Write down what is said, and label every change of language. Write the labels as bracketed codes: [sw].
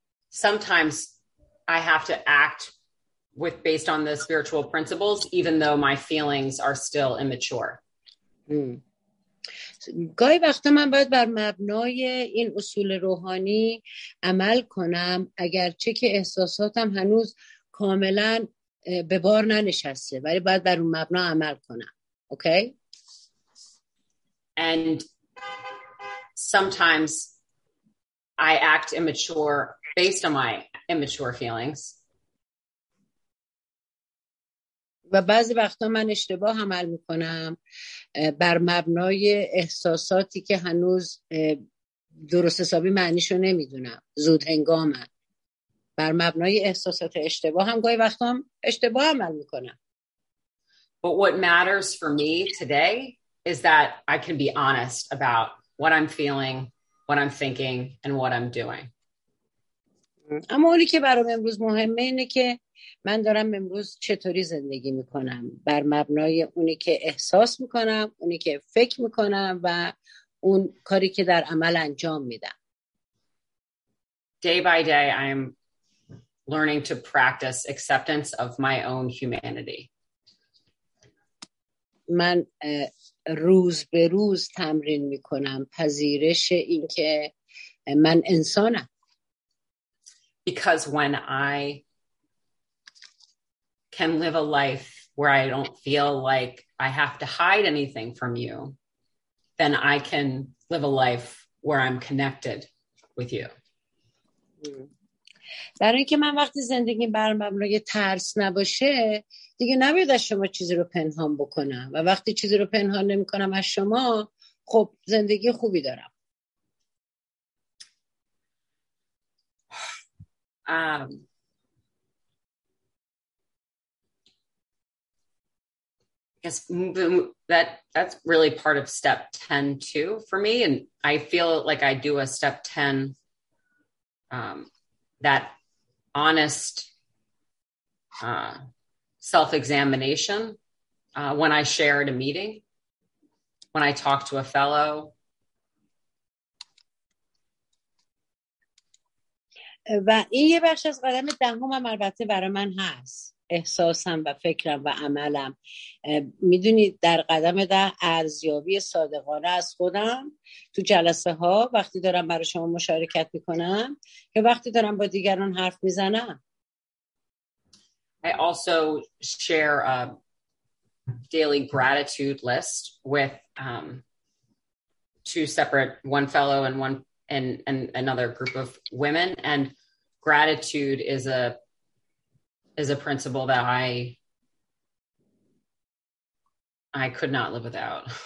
[en] Sometimes I have to act with based on the spiritual principles, even though my feelings are still immature. [fa] گاهی وقتا من باید بر مبنای این اصول روحانی عمل کنم، اگرچه که احساساتم هنوز کاملا به بار ننشسته، ولی باید بر اون مبنا عمل کنم. [en] Okay? And sometimes I act immature based on my immature feelings. [fa] و بعضی وقتا من اشتباه عمل میکنم بر مبنای احساساتی که هنوز درست حسابی معنیشو نمیدونم، زود هنگامم بر مبنای احساسات اشتباه هم گاهی وقتا هم اشتباه عمل میکنم. [en] But what matters for me today is that I can be honest about what I'm feeling, what I'm thinking, and what I'm doing. [fa] اما اونی که برام امروز مهمه اینه که من دارم امروز چطوری زندگی میکنم بر مبنای اونی که احساس میکنم، اونی که فکر میکنم و اون کاری که در عمل انجام میدم. [en] day by day, I'm learning to practice acceptance of my own humanity. [fa] من روز به روز تمرین میکنم پذیرش این که من انسانم. [en] Because when I can live a life where I don't feel like I have to hide anything from you, then I can live a life where I'm connected with you. [fa] برای اینکه من وقتی زندگی برام مبنای ترس نباشه دیگه نباید از شما چیزی رو پنهان بکنم و وقتی چیزی رو پنهان نمی کنم از شما خب زندگی خوبی دارم. [en] I guess that's really part of step 10 too for me, and I feel like I do a step 10 that honest self-examination when I share at a meeting, when I talk to a fellow. [fa] و این یه بخش از قدم دهم هم البته برای من هست، احساسم و فکرم و عملم. میدونید در قدم ده ارزیابی صادقانه از خودم تو جلسه ها وقتی دارم برای شما مشارکت میکنم یا وقتی دارم با دیگران حرف میزنم. [en] I also share a daily gratitude list with two separate, one fellow and one and another group of women. And gratitude is a principle that I could not live without.